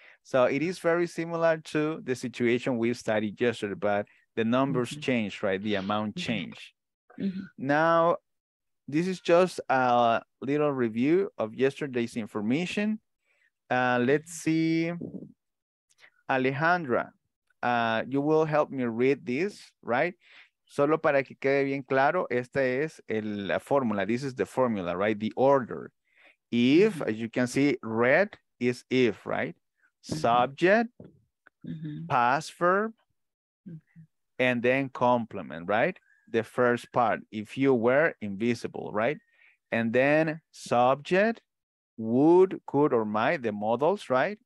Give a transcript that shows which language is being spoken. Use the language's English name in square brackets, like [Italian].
[English] So it is very similar to the situation we studied yesterday, but the numbers mm-hmm. change, right? The amount change. Mm-hmm. Now, this is just a little review of yesterday's information. Let's see. Alejandra, you will help me read this, right? [Spanish] Solo para que quede bien claro, esta es la fórmula. [English] This is the formula, right? The order. If, as you can see, red is if, right? Subject, mm-hmm. past verb, and then complement, right? The first part, if you were invisible, right? And then subject, would, could, or might, the models, right?